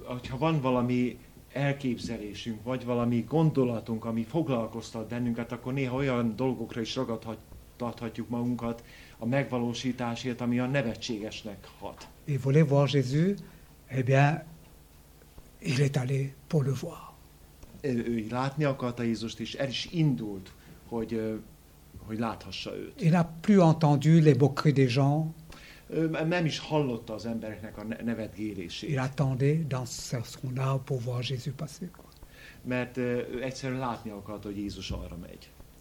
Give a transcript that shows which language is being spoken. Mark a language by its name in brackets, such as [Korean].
[Hungarian] Ha van valami elképzelésünk, vagy valami gondolatunk, ami foglalkoztat bennünket, akkor néha olyan dolgokra is ragadhatjuk magunkat, a megvalósításért, ami a nevetségesnek hat. [French] Et voulez voir Jésus, eh bien, il est allé pour le voir. [Hungarian] Ő látni akarta Jézust, és el is indult, hogy láthassa őt. [French] Il n'a plus entendu les moqueries des gens. [Hungarian] Nem is hallotta az embereknek a nevetgélését. [French] Il attendait dans son arbre pour voir Jésus passer. [Hungarian] Mert egyszerűen látni akarta, hogy Jézus arra megy.